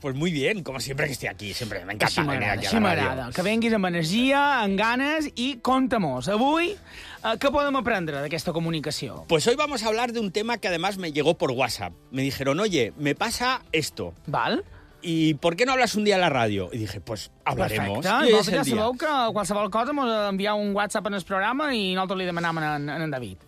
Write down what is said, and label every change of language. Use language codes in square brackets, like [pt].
[es] Pues muy bien, como siempre que estoy aquí, siempre [ca] m'encanta. Així m'agrada, així m'agrada. Que venguis amb energia, amb ganes, i compta-mos. Avui... [es] ¿Qué podemos aprender de esta comunicación? Pues hoy vamos a hablar de un tema que además me llegó por WhatsApp. Me dijeron, oye, me pasa esto. ¿Vale? ¿Y por qué no hablas un día a la radio? Y dije, pues hablaremos. Perfecto. Ya [ca] sabeu que cualsevol [es] cosa hemos enviado un WhatsApp en el programa y nosotros le demanamos a David.